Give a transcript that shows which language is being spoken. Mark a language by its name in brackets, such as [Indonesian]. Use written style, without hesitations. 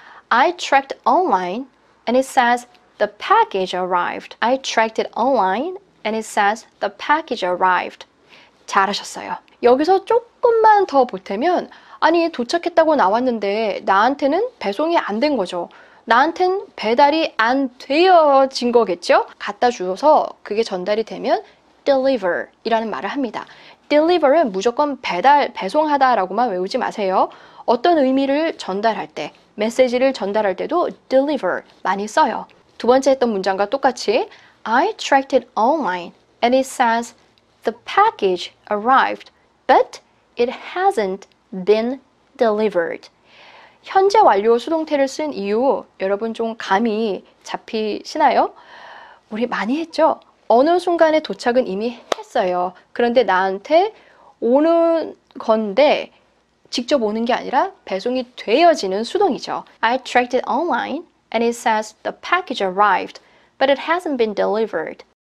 [English] I tracked online and it says the package arrived. I tracked it online and it says the package arrived. [Korean] 잘하셨어요. 여기서 조금만 더 보태면 아니 도착했다고 나왔는데 나한테는 배송이 안된 거죠. 나한텐 배달이 안 되어진 거겠죠? 갖다 주어서 그게 전달이 되면 deliver 이라는 말을 합니다. deliver은 무조건 배달, 배송하다라고만 외우지 마세요. 어떤 의미를 전달할 때, 메시지를 전달할 때도 deliver 많이 써요. 두 번째 했던 문장과 똑같이 [English] I tracked it online and it says the package arrived, but it hasn't been delivered. [Korean] 현재 완료 수동태를 쓴 이유, 여러분 좀 감이 잡히시나요? 우리 많이 했죠? 어느 순간에 도착은 이미 했어요. 그런데 나한테 오는 건데, 직접 오는 게 아니라 배송이 되어지는 수동이죠. [English] I tracked it online and it says the package arrived, but it hasn't been delivered.